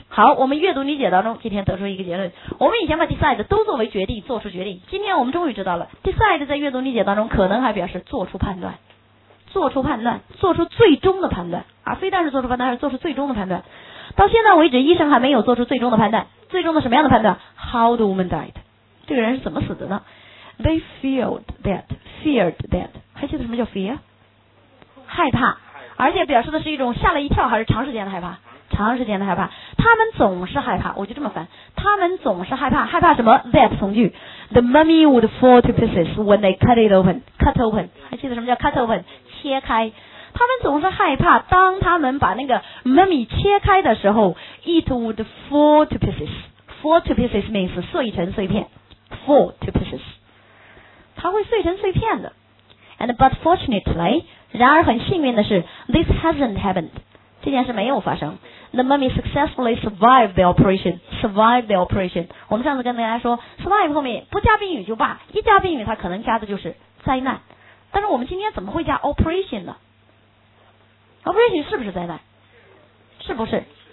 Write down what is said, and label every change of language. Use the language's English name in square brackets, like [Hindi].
[Chinese] 好，我们阅读理解当中今天得出一个结论，我们以前把 decide 都作为决定，做出决定，今天我们终于知道了 decide 在阅读理解当中可能还表示做出判断，做出判断，做出最终的判断啊，非但是做出判断，而是做出最终的判断。到现在为止医生还没有做出最终的判断，最终的什么样的判断？ [English] How the woman died， [Chinese] 这个人是怎么死的呢？ [English] They feared that， [Chinese] 还记得什么叫 [English] fear？ [Chinese] 害怕，而且表示的是一种吓了一跳还是长时间的害怕，长时间的害怕，他们总是害怕，我就这么翻，他们总是害怕，害怕什么？ [English] that 从句 the mummy would fall to pieces when they cut it open， cut open， [Chinese] 还记得什么叫 [English] cut open？ [Chinese] 切开，他们总是害怕当他们把那个 mummy 切开的时候， [English] it would fall to pieces， fall to pieces means [Chinese] 碎成碎片， [English] fall to pieces， [Chinese] 它会碎成碎片的。 [English] And but fortunately， [Chinese] 然而很幸运的是， [English] this hasn't happened， [Chinese] 这件事没有发生， [English] the mummy successfully survived the operation， survived the operation， [Chinese] 我们上次跟大家说 survive 后面不加宾语就罢，一加宾语它可能加的就是灾难，但是我们今天怎么会加 operation 呢？operation 是不是灾难？是不是？